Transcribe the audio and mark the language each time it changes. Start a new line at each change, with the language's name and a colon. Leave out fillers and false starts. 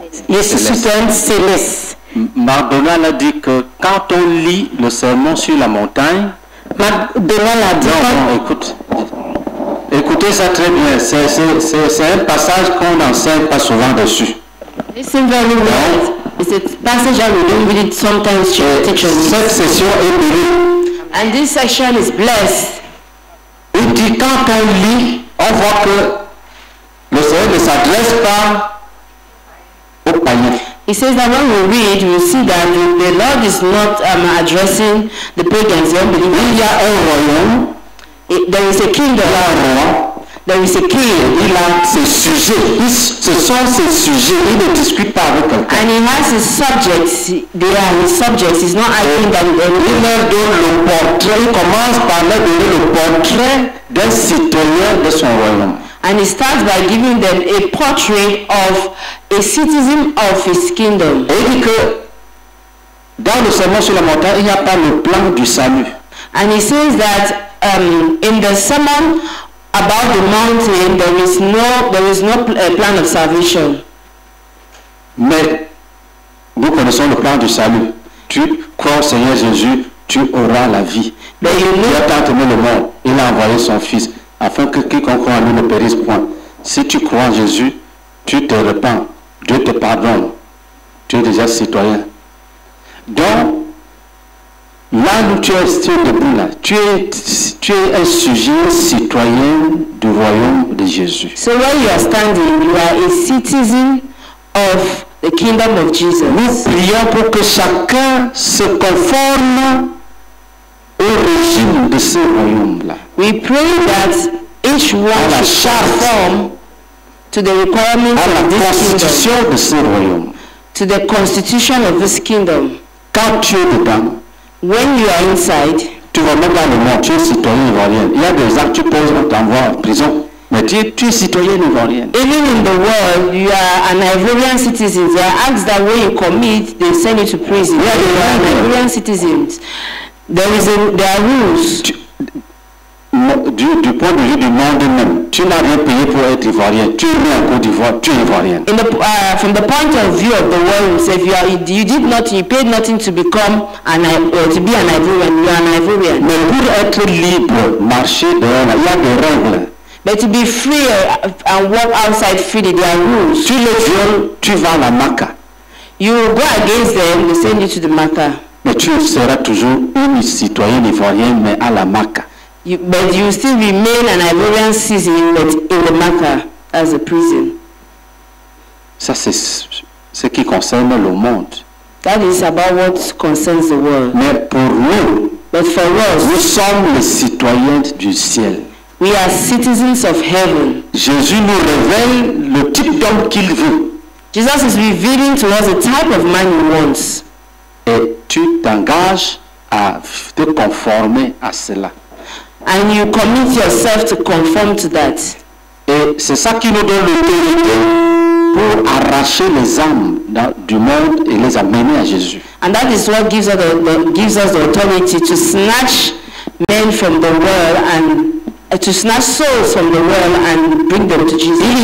French: Je suis citoyenne céleste. McDonald a dit que quand on lit le sermon sur la montagne. McDonald a dit. Non, non, écoute. Écoutez ça très bien. C'est un passage qu'on n'enseigne pas souvent dessus.
English: Listen very well. It's a passage that we don't read sometimes to the teachers.
French: Cette session est bénie.
English: And this session is blessed.
French: Il dit quand on lit, on voit que le Seigneur ne s'adresse pas aux païens.
English: He says that when we read, we see that the Lord is not addressing the pagans, the unbelievers.
French: Il y a un royaume.
English: There is a king de
French: la roi.
English: There is a king.
French: Il a ses sujets. Ce sont ses sujets. Il ne discute pas avec quelqu'un.
English: And he has his subjects. There are his subjects. He's not arguing that with anyone.
French: Il leur donne le portrait. Il commence par leur donner le portrait d'un citoyen de son royaume.
English: And he starts by giving them a portrait of a citizen of his kingdom.
French: Et il dit que dans le sermon sur la montagne, il n'y a pas le plan du salut.
English: And he says that in the sermon about the mountain, there is no plan of salvation.
French: Mais nous connaissons le plan du salut. Tu crois au Seigneur Jésus, tu auras la vie. Mais il a tant aimé le monde, il a envoyé son Fils, afin que quiconque croit en lui ne périsse point. Si tu crois en Jésus, tu te repens, Dieu te pardonne, tu es déjà citoyen. Donc, là où tu es debout là, tu es un sujet citoyen du royaume de Jésus.
English: So where you are standing, you are a citizen of the kingdom of Jesus.
French: Nous prions pour que chacun se conforme au régime de ce royaume là.
English: We pray that each one should conform to the requirements of this kingdom.
French: À la constitution de ce royaume.
English: To the constitution of this kingdom.
French: Quand tu es dedans.
English: When you are inside,
French: tu vas même pas le mot, tu es citoyen ivoirien. Il y a des actes, tu poses, on t'envoie en prison. Mais tu es citoyen ivoirien.
English: Even in the world, you are an Ivorian citizen. There are acts that when you commit, they send you to prison. Yeah, you are an Ivorian citizen. There are rules.
French: Du point de vue du monde même, tu n'as rien payé pour être ivoirien. Tu es né en Côte d'Ivoire, tu es ivoirien.
English: From the point of view of the world, if you paid nothing to become to be an Ivorian, you are an Ivorian.
French: Mais pour être libre, marcher dehors, il y a des règles.
English: But to be free and walk outside freely, there are rules.
French: Tu le viol, tu vas à la maca.
English: You go against them, they send you to the maca.
French: Mais tu seras toujours un citoyen ivoirien, mais à la maca.
English: But you still remain an Ivorian citizen, but in the maca as a prison.
French: Ça c'est ce qui concerne le monde.
English: That is about what concerns the world.
French: Mais pour nous,
English: but for us,
French: nous sommes les citoyens du ciel.
English: We are citizens of heaven.
French: Jésus nous révèle le type d'homme qu'il veut.
English: Jesus is revealing to us the type of man he wants.
French: Et tu t'engages à te conformer à cela.
English: And you commit yourself to conform to that.
French: Et c'est ça qui nous donne l'autorité pour arracher les âmes du monde et les amener à Jésus.
English: And that is what gives us the authority to snatch men from the world and to snatch souls from the world and bring them to Jesus.